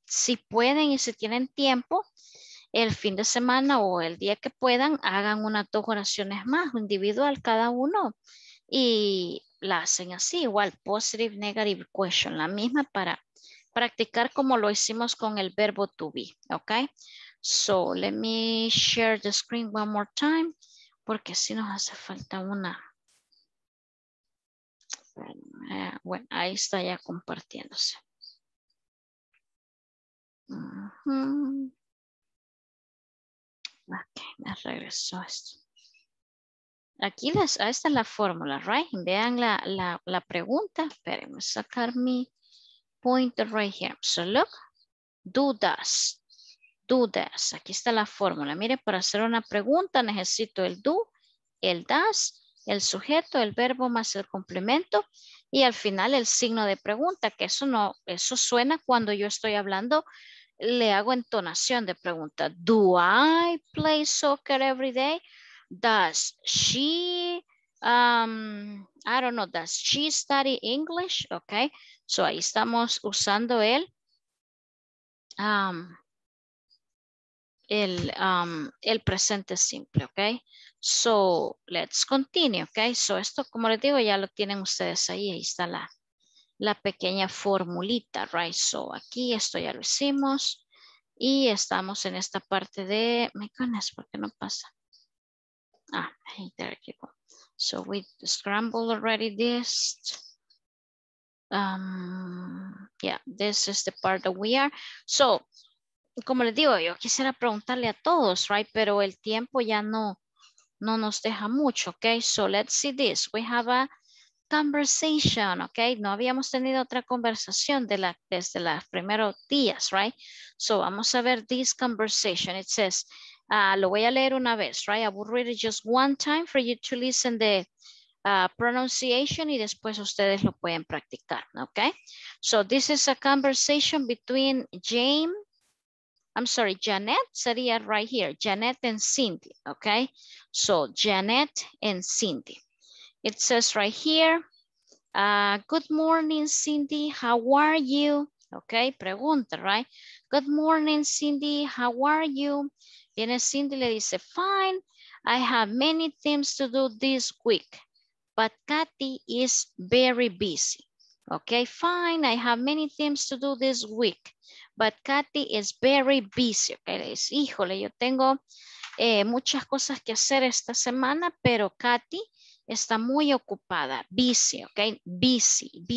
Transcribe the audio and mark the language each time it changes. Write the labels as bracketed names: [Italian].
[Spanish] Si pueden y si tienen tiempo, el fin de semana o el día que puedan, hagan unas dos oraciones más, individual cada uno. Y la hacen así, igual, [English] positive, negative question. [Spanish] La misma para practicar como lo hicimos con el verbo to be. ¿Ok? [English] So, let me share the screen one more time. [Spanish] Porque si nos hace falta una... Bueno, ahí está ya compartiéndose. Uh-huh. Ok, me regresó esto. aquí las, esta es la fórmula, right? Vean la pregunta. Espérenme, sacar mi pointer [English] right here. So look, do does. [Spanish] Aquí está la fórmula. Mire, para hacer una pregunta necesito el do, el does, el sujeto, el verbo más el complemento y al final el signo de pregunta, que eso no, eso suena cuando yo estoy hablando, le hago entonación de pregunta. [English] Do I play soccer every day? Does she, I don't know, does she study English? [Spanish] Okay, so ahí estamos usando el presente simple, okay? [English] So let's continue, okay? [Spanish] So esto, como les digo, ya lo tienen ustedes ahí, ahí está la pequeña formulita, right? So aquí esto ya lo hicimos y estamos en esta parte de, [English] my goodness, [Spanish] ¿por qué no pasa? [English] Ah, hey, there you go. So we scrambled already this. Yeah, this is the part that we are. [Spanish] So, como les digo, yo quisiera preguntarle a todos, right? Pero el tiempo ya no nos deja mucho, okay? [English] So let's see this. We have a conversation, okay? [Spanish] No habíamos tenido otra conversación desde los primeros días, right? [English] So [Spanish] vamos a ver [English] this conversation. It says, [Spanish] lo voy a leer una vez, [English] right? I will read it just one time for you to listen the pronunciation [Spanish] y después ustedes lo pueden practicar, [English] okay? So this is a conversation between Janet sería right here, Janet and Cindy, okay? So Janet and Cindy. It says right here, good morning, Cindy, how are you? Okay, pregunta, right? Good morning, Cindy, how are you? [Spanish] Viene Cindy, le dice, [English] fine, I have many things to do this week, but Kathy is very busy. Okay, fine, I have many things to do this week, but Kathy is very busy. [Spanish] Okay, le dice, híjole, yo tengo muchas cosas que hacer esta semana, pero Kathy está muy ocupada, busy, okay, busy.